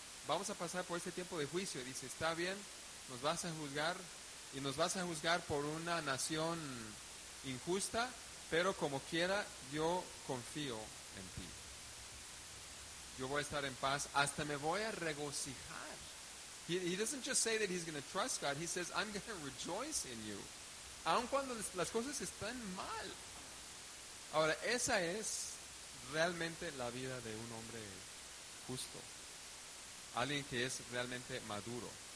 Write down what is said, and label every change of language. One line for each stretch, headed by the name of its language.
Spanish: Vamos a pasar por este tiempo de juicio. Dice, está bien, nos vas a juzgar. Y nos vas a juzgar por una nación injusta, pero como quiera, yo confío en ti. Yo voy a estar en paz, hasta me voy a regocijar.
English: He doesn't just say that he's going to trust God, he says, I'm going to rejoice in you.
Spanish: Aun cuando las cosas están mal. Ahora, esa es realmente la vida de un hombre justo. Alguien que es realmente maduro.